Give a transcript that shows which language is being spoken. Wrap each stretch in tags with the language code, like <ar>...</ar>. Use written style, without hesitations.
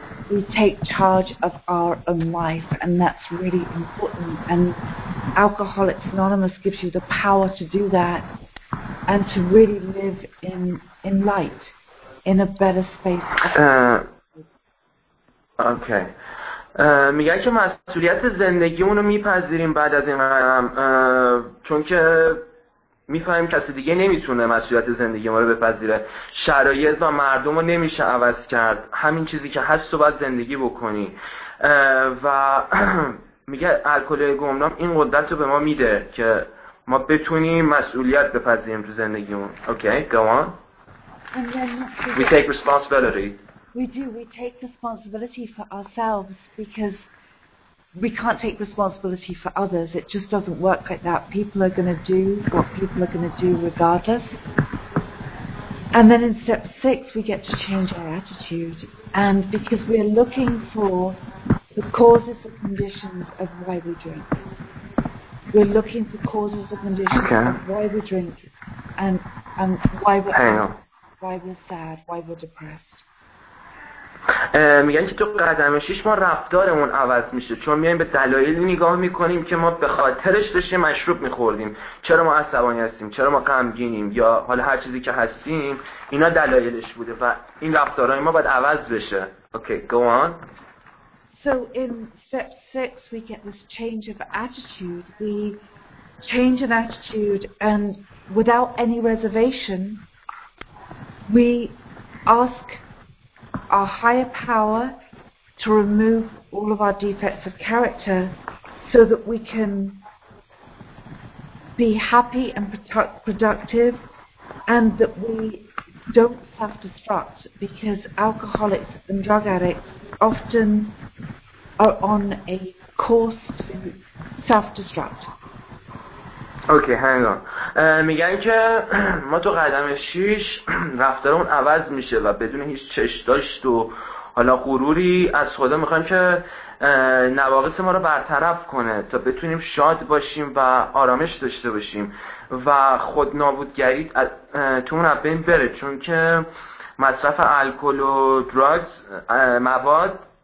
<en>We take charge of our own life, and that's really important. And Alcoholics Anonymous gives you the power to do that and to really live in light, in a better space. Okay.</en> <fa>میگه که مسئولیت زندگیمونو میپذیریم بعد از این قدم، چون که میفهمیم کسی دیگه نمیتونه مسئولیت زندگی ما رو بپذیره. شرایط و مردم رو نمیشه عوض کرد، همین چیزی که هست رو باید زندگی بکنی. و میگه الکلی گمنام این قدرت رو به ما میده که ما بتونیم مسئولیت بپذیریم تو زندگیمون.</fa> <en>Okay, go on. We take responsibility. We do. We take responsibility for ourselves because we can't take responsibility for others. It just doesn't work like that. People are going to do what people are going to do regardless. And then in step six, we get to change our attitude. And because we're looking for the causes and conditions of why we drink. We're looking for causes and conditions of why we drink and why we're angry, why we're sad, why we're depressed.</en> <fa>میگن که تو قدم شیش ما رفتارمون عوض میشه، چون میایم به دلایل نگاه میکنیم که ما به خاطرش داشتیم مشروب میخوردیم، چرا ما عصبانی هستیم، چرا ما غمگینیم، یا حالا هر چیزی که هستیم، اینا دلایلش بوده و این رفتارهای ما باید عوض بشه.</fa> <en>Okay, go on. So in step 6 we get this change of attitude. We change an attitude and without any reservation we ask our higher power to remove all of our defects of character so that we can be happy and productive and that we don't self-destruct, because alcoholics and drug addicts often are on a course to self-destruct. Okay, hang on.</en> <fa>میگن که ما تو قدم شیش رفتارمون عوض میشه و بدون هیچ چش داشت و حالا غروری از خدا میخوایم که نواقص ما رو برطرف کنه تا بتونیم شاد باشیم و آرامش داشته باشیم و خود نابودگری تو اون بین بره، چون که مصرف الکل و دراگز مواد</fa>